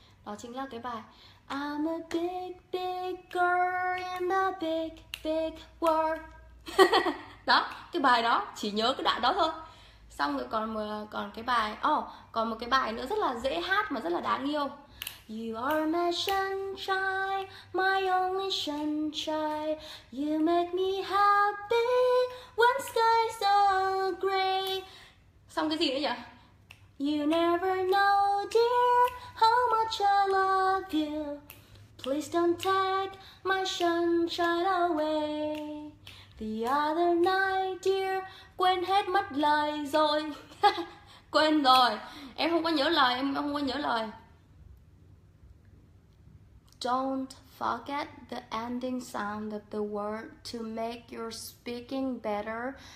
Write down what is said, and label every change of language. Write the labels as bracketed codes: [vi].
[vi] Đó chính là cái bài [en] I'm a big, big girl in a big, big world. [vi] Đó, cái bài đó, chỉ nhớ cái đoạn đó thôi. Xong rồi còn cái bài, còn một cái bài nữa rất là dễ hát mà rất là đáng yêu. [en] You are my sunshine, my only sunshine. You make me happy when skies are gray. [vi] Xong cái gì nữa nhỉ? [en] You never know, dear, how much I love you. Please don't take my sunshine away. The other night, dear, [vi] quên hết mất lời rồi. Quên rồi. Em không có nhớ lời. [en] Don't forget the ending sound of the word to make your speaking better.